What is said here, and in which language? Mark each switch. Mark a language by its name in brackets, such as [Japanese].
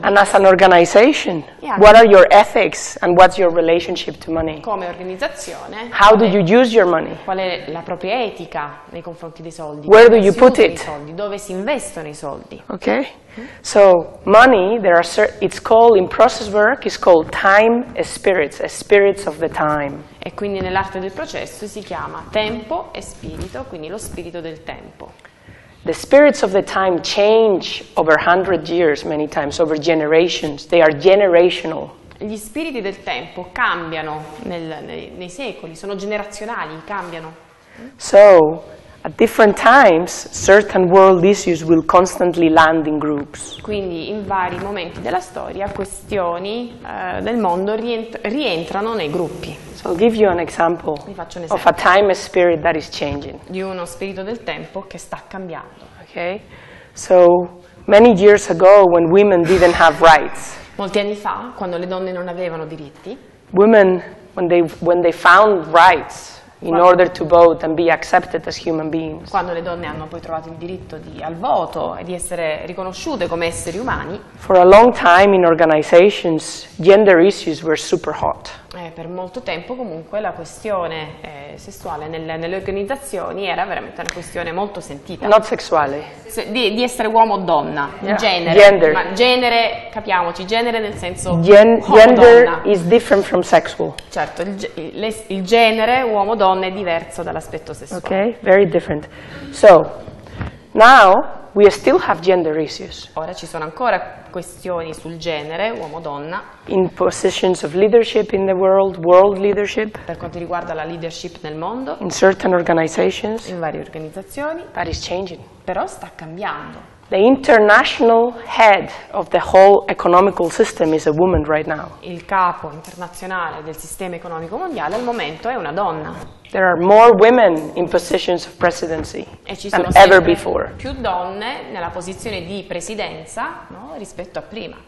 [English] And as an organization, what are your ethics and what's your relationship to money? [Italian] Come organizzazione. [English] How do you use your money? [Italian] Qual è la propria etica nei confronti dei soldi? [English] Where do you put it? [Italian] Dove si investono i soldi? [English] Okay. So money, it's called in process work, it's called time spirits of the time. [Italian] E quindi nell'arte del processo si chiama tempo e spirito, quindi lo spirito del tempo. [English] The spirits of the time change over 100 years many times, over generations. They are generational. [Italian] Gli spiriti del tempo cambiano nei secoli, sono generazionali, cambiano. [English] So, at different times, certain world issues will constantly land in groups. [Italian] Quindi in vari momenti della storia, questioni del mondo rientrano nei gruppi. [English] So I'll give you an example of a time spirit that is changing. [Italian] Di uno spirito del tempo che sta cambiando. [English] Okay? So, many years ago, when women didn't have rights. [Italian] Molti anni fa, quando le donne non avevano diritti. [English] Women, when they found rights. In order to vote and be accepted as human beings. [Italian] Quando le donne hanno poi trovato il diritto al voto e di essere riconosciute come esseri umani. [English] For a long time in organizations, gender issues were super hot. [Italian] Per molto tempo comunque la questione sessuale nelle organizzazioni era veramente una questione molto sentita. [English] Not sexuale. [Italian] Di essere uomo o donna, yeah. Genere. [English] Gender. [Italian] Ma genere, capiamoci, genere nel senso [English] gender is different from sexual. [Italian] Certo, il genere uomo donna è diverso dall'aspetto sessuale. [English] Okay, very different. So, now we still have gender issues. [Italian] Ora ci sono ancora questioni sul genere, uomo donna. [English] In positions of leadership in the world leadership. [Italian] Per quanto riguarda la leadership nel mondo. [English] In certain organizations. [Italian] In varie organizzazioni. [English] That is changing. [Italian] Però sta cambiando. [English] The international head of the whole economical system is a woman right now. [Italian] Il capo internazionale del sistema economico mondiale al momento è una donna. [English] There are more women in positions of presidency than ever before. [Italian] Più donne nella posizione di presidenza, no, rispetto a prima.